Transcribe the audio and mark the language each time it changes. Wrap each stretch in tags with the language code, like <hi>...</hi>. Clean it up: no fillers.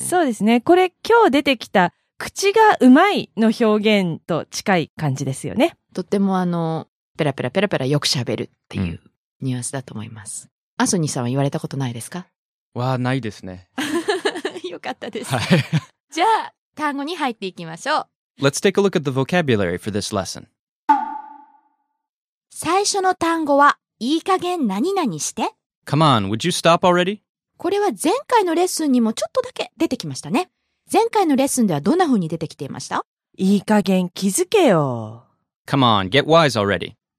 <ja>そうですね、これ今日出てきた口がうまいの表現と近い感じですよね。とってもペラペラペラペラよくしゃべるっていうニュアンスだと思います。アソニーさんは言われたことないですか？はないですね。よかったです、はい、じゃあ単語に入っていきましょう。</ja> <en>Let's take a look at the vocabulary for this lesson.</en> <ja>最初の単語は、いい加減何々して。</ja> <en>Come on, would you stop already?</en> <ja>これは前回のレッスンにもちょっとだけ出てきましたね。前回のレッスンではどんな風に出てきていました？いい加減気づけよ。</ja> <en>Come on, get wise already.</en>